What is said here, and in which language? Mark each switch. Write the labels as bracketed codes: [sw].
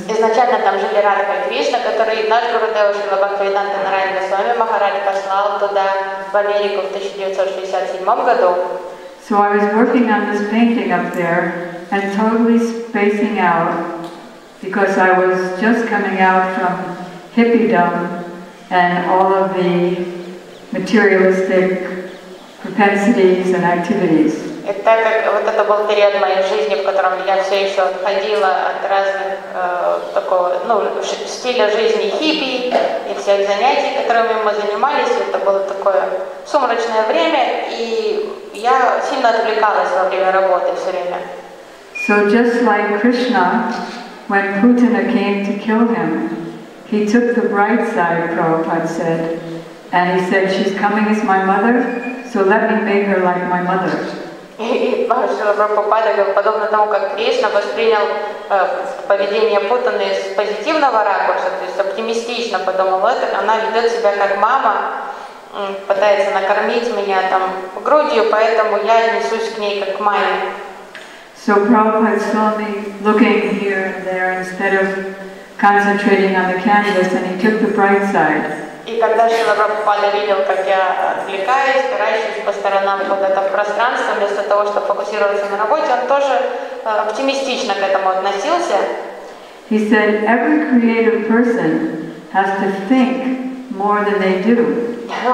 [ru] Изначально там жили Радха Кришна, который наш Гурудев Шрила Бхактивиданта Нарайана Госвами Махарадж послал туда в Америку в 1967 году. [en] So I was working on this painting up there and totally spacing out because I was just coming out from hippiedom and all of the materialistic propensities and activities. [ru] И так как вот это был период моей жизни, в котором я все еще отходила от разных стиля жизни хиппи и всех занятий, которыми мы занимались, это было такое сумрачное время, и я сильно отвлекалась во время работы все время. [en] So just like Krishna, when Putana came to kill him, he took the bright side, Prabhupada said, and he said, she's coming as my mother. So let me make her like my mother. [ru] Шрила Прабхупада говорил, подобно тому, как Кришна воспринял поведение Путаны с позитивного ракурса, то есть оптимистично подумал, она ведет себя как мама, пытается накормить меня там грудью, поэтому я отнесусь к ней как к маме. [en] So Prabhupada saw me looking here and there instead of concentrating on the canvas, and he took the bright side. [ru] И когда Шрила Прабхупада видел, как я отвлекаюсь, стараюсь по сторонам куда-то в пространство, вместо того, чтобы фокусироваться на работе, он тоже оптимистично к этому относился. [en] He said, every creative person has to think more than they do.